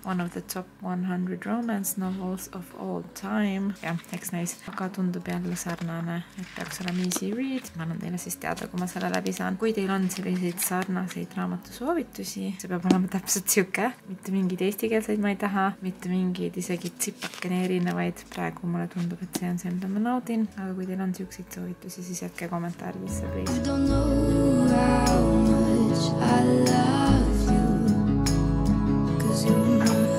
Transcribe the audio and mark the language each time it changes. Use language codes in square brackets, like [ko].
[en] One of the top 100 romance novels of all time. [et] Ja, eks näis, aga tundub jälle sarnane, et peaks olema [en] easy read. [et] Ma annan teile siis teada, kui ma selle läbi saan. Kui teil on sellised sarnaseid raamatusoovitusi, see peab olema täpselt siuke. Mitte mingid eestikeelseid ma ei taha, mitte mingid isegi tsipakene erinevaid. Praegu mulle tundub, et see on see, mida ma naudin. Aga kui teil on siuksid soovitusi, siis jätke kommentaar. [en] I don't know how much I love you, 'cause you know.